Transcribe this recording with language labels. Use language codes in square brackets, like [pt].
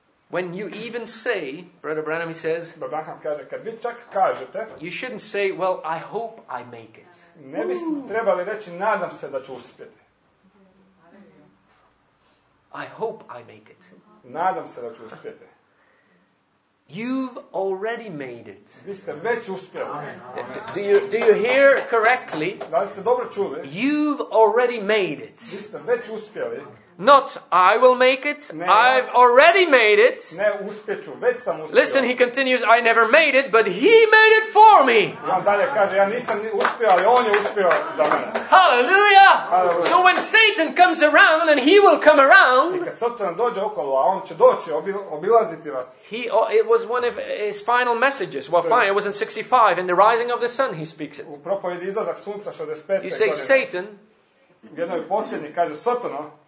[en] When you even say, Brother Branham, he says, [hr] Brother Branham kaže, kad vi čak kažete, [en] you shouldn't say, well, I hope I make it. [hr] Ne bi trebali reći, nadam se da ću uspjeti. [en] I hope I make it. [hr] Nadam se da ću uspjeti. [en] You've already made it. [hr] Vi ste već uspjeli. [en] Do you hear correctly? [hr] Da li ste dobro čuli? [en] You've already made it. [hr] Vi ste već uspjeli. [en] Not, I will make it, [hr] ne, [en] I've already made it. [hr] Ne, uspjeću, već sam uspio. [en] Listen, he continues, I never made it, but he made it for me. [hr] Dalje kaže, ja nisam uspio, ali on je uspio za mene. Hallelujah! Hallelujah! [en] So when Satan comes around, and he will come around, [hr] i kad Satan dođe okolo, a on će doći, obilaziti vas. [en] It was one of his final messages. Well, fine, it was in 65, in the rising of the sun, he speaks it. [hr] U propovjedi izlazak sunca 65. [en] You say, Satan, [hr] jednoj posljednji kaže Satano,